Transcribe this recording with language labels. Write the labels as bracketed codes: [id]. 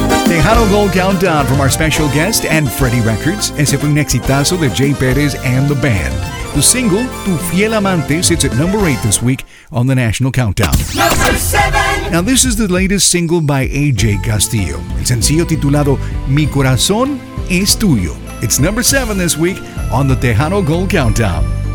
[en] Tejano Gold Countdown from our special guest and Freddie Records. [es] Ese fue un exitazo de Jay Perez and the band. [en] The single, Tu Fiel Amante, sits at number 8 this week on the national countdown. Number 7! Now this is the latest single by AJ Castillo. [es] El sencillo titulado Mi Corazón Es Tuyo. [en] It's number 7 this week on the Tejano Gold Countdown.